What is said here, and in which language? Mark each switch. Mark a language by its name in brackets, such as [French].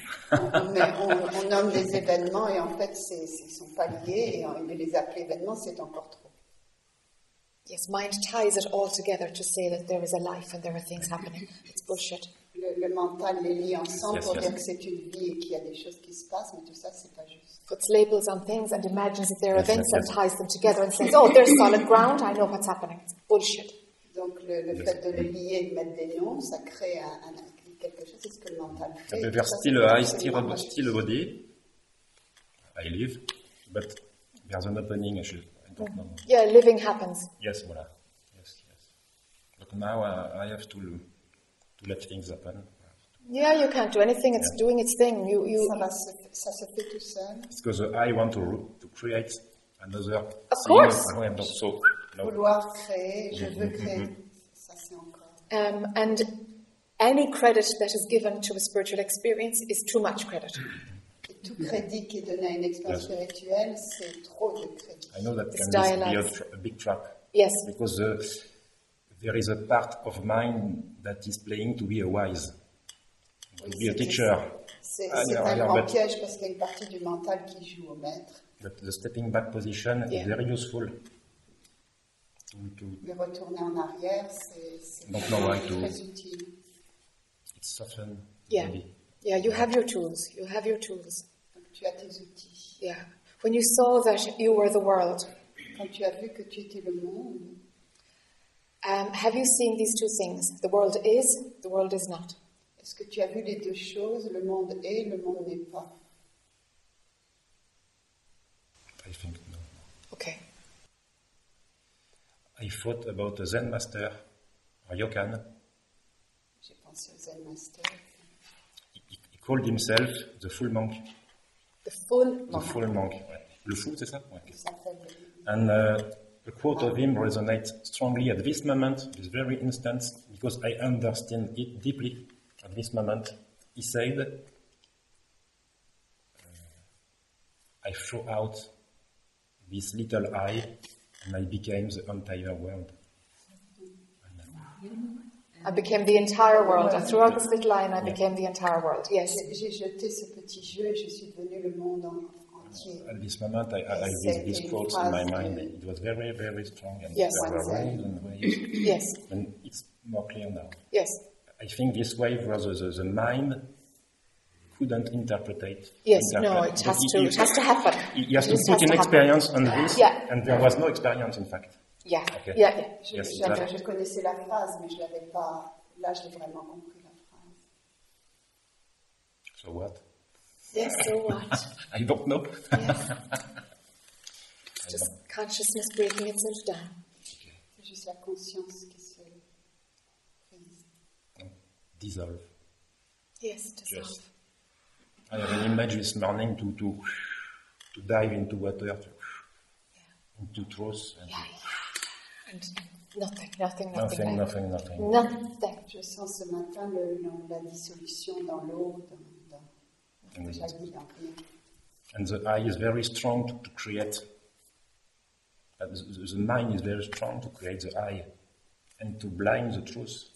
[French] Mais on nomme des événements et en fait ils ne sont pas liés et de les appeler événements c'est encore trop. [English] Yes, mind ties it all together to say that there is a life and there are things happening. It's bullshit. [French] Le mental les lie ensemble pour dire que c'est une vie et qu'il y a des choses qui se passent, mais tout ça, c'est pas juste. [English] Puts labels on things and imagines that there are events and ties them together and says, oh, there's solid ground, I know what's happening. It's bullshit. [French] Donc le fait de les lier et de mettre des noms, ça crée quelque chose, c'est ce que le mental fait. [English] But there's still a still a body. I live, but there's an opening issue. No. Yeah, living happens. Yes, voilà. Yes. But now I have to let things happen. Yeah, you can't do anything. It's doing its thing. You. [French] Ça se fait tout seul. [English] It's because I want to create another. Of course. Oh, I'm not so. [French] No. Vouloir créer, je veux créer. Ça c'est encore. [English] And any credit that is given to a spiritual experience is too much credit. [French] Tout crédit qui est donné à une expérience spirituelle, c'est trop de crédit. [English] I know that can this be a big trap. Yes. Because there is a part of mind that is playing to be a wise, to be a teacher. [French] C'est un grand piège parce qu'il y a une partie du mental qui joue au maître. [English] But the stepping back position is very useful. [French] Mais retourner en arrière, c'est très utile. [English] It's often, maybe. Yeah, you have your tools. You have your tools. [French] Tu as tes outils. [English] Yeah. When you saw that you were the world, [French] quand tu as vu que tu étais le monde, [English] Have you seen these two things? The world is not. [French] Est-ce que tu as vu les deux choses? Le monde est, le monde n'est pas. [English] I think no. Okay. I thought about the Zen master, Ryokan. [French] J'ai pensé au Zen master. [English] He called himself the full monk. The full monk. The full monk. [French] Ouais. Le fou, c'est ça? Ouais. [English] And a quote of him resonates strongly at this moment, this very instant, because I understand it deeply at this moment. He said, I threw out this little I, and I became the entire world. I became the entire world. I threw out this little I, and I became the entire world. Yes. [French] J'ai jeté ce petit jeu, et je suis devenu le monde entier. [English] At this moment, I had this quote in my mind. It was very, very strong. And yes. Yes. And it's more clear now. Yes. I think this wave was the mind couldn't interpret it. Yes, no, it has to happen. He has to put an experience on this, and there was no experience, in fact. Yeah. [French] Je connaissais la phrase, mais je l'avais pas. Là, j'ai vraiment compris la phrase. [English] So what? Yes, so what? I don't know. Yeah. Just consciousness breaking itself down. [French] Okay. C'est juste la conscience qui se [English] dissolve. Yes, dissolve. I have an image this morning to dive into water, into truth. And and nothing. Nothing. Nothing. [French] Je sens ce matin la dissolution dans l'eau, dans la vie. [English] And the eye is very strong to create. The mind is very strong to create the eye and to blind the truth.